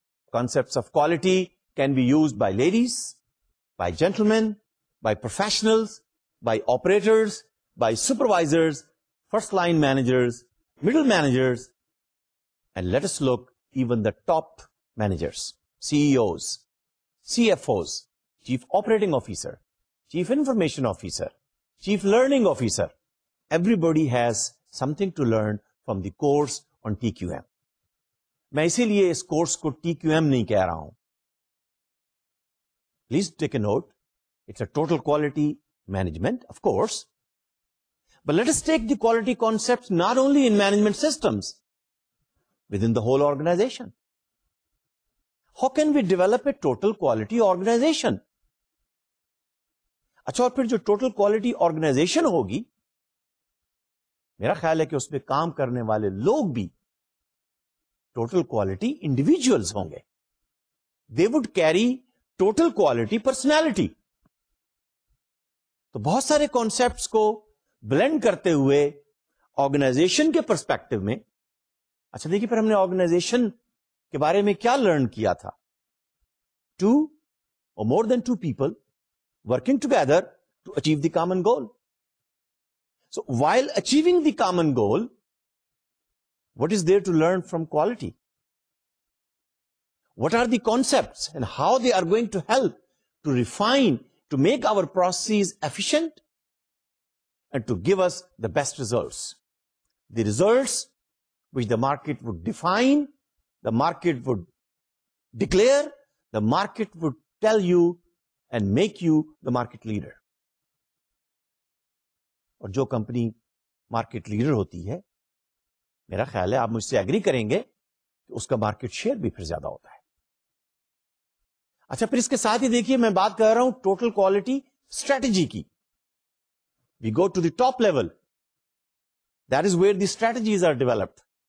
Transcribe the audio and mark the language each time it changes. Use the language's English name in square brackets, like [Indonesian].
[English] Concepts of quality can be used by ladies, by gentlemen, by professionals, by operators, by supervisors, first line managers, middle managers, and let us look even the top managers, CEOs, CFOs, chief operating officer, chief information officer, chief learning officer. Everybody has something to learn from the course on TQM. [Urdu] میں اسی لیے اس course کو T Q M نہیں کہہ رہا ہوں. [English] Please take a note, it's a total quality management of course, but let us take the quality concept not only in management systems within the whole organisation. How can we develop a total quality organisation? [Urdu] اچھا, اور پھر جو total quality organization ہوگی, میرا خیال ہے کہ اس میں کام کرنے والے لوگ بھی ٹوٹل کوالٹی انڈیویجلس ہوں گے. [English] They will carry total quality personality. [Urdu] تو بہت سارے کانسیپٹس کو بلینڈ کرتے ہوئے آرگنائزیشن کے پرسپیکٹو میں. اچھا دیکھیے, پھر ہم نے آرگنائزیشن کے بارے میں کیا لرن کیا تھا؟ [English] Two or more than two people working together to achieve the common goal. [Urdu] So while achieving the common goal, [English] what is there to learn from quality? What are the concepts and how they are going to help to refine, to make our processes efficient and to give us the best results? The results which the market would define, the market would declare, the market would tell you and make you the market leader. [Urdu] Aur jo company market leader hoti hai, میرا خیال ہے آپ مجھ سے agree کریں گے کہ اس کا مارکیٹ شیئر بھی پھر زیادہ ہوتا ہے. اچھا, پھر اس کے ساتھ ہی دیکھیے, میں بات کر رہا ہوں ٹوٹل کوالٹی اسٹریٹجی کی. [English] We go to the top level, that is where the strategies are developed.